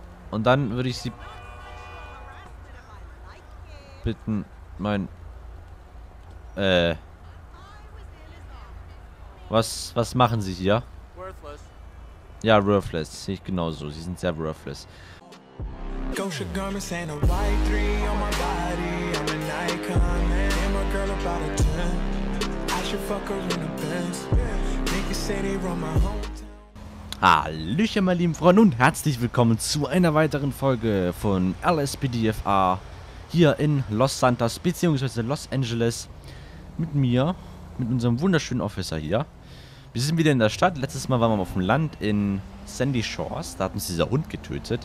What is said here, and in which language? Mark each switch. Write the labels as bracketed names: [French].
[German] Und dann würde ich sie bitten, mein... Was machen Sie hier? [English] Worthless. [German] Ja, worthless. Sehe ich genauso. Sie sind sehr worthless. [English] Gosha Garmin and a white 3 on my body. I'm a Nikon man. And my girl about a 10. I should fuck her in a Benz. Make you say they run my home. [German] Hallöchen, meine lieben Freunde, und herzlich willkommen zu einer weiteren Folge von LSPDFA hier in Los Santos bzw. Los Angeles mit mir, mit unserem wunderschönen Officer hier. Wir sind wieder in der Stadt. Letztes Mal waren wir auf dem Land in Sandy Shores. Da hat uns dieser Hund getötet.